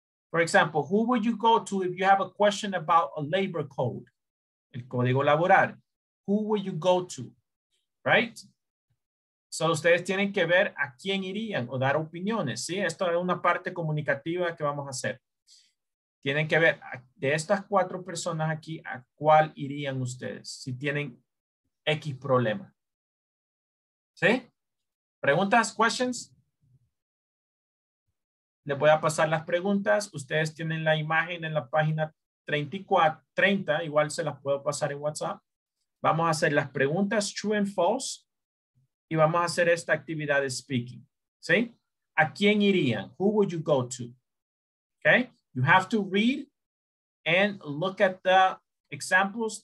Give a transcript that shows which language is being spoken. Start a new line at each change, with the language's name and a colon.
English: For example, who would you go to if you have a question about a labor code?
Spanish: El código laboral.
English: Who would you go to? Right?
Spanish: So, ustedes tienen que ver a quién irían o dar opiniones, ¿sí? Esto es una parte comunicativa que vamos a hacer. Tienen que ver de estas cuatro personas aquí, ¿a cuál irían ustedes si tienen X problema? ¿Sí? ¿Preguntas?
English: ¿Questions?
Spanish: Les voy a pasar las preguntas. Ustedes tienen la imagen en la página 30. Igual se las puedo pasar en WhatsApp. Vamos a hacer las preguntas
English: true and false.
Spanish: Y vamos a hacer esta actividad de speaking. ¿Sí? ¿A quién irían?
English: Who would you go to? Okay. You have to read and look at the examples.